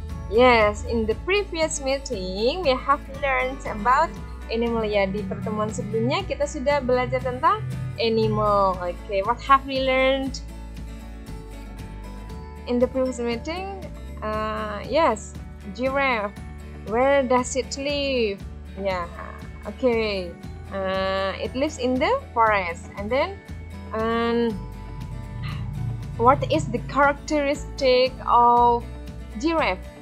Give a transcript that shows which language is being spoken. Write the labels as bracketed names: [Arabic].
[English] Yes, in the previous meeting, we have learned about animal. [Indonesian] Ya, di pertemuan sebelumnya kita sudah belajar tentang animal. [English] Okay, what have we learned in the previous meeting? Yes, giraffe. Where does it live? Yeah, okay. It lives in the forest. And then, what is the characteristic of giraffe?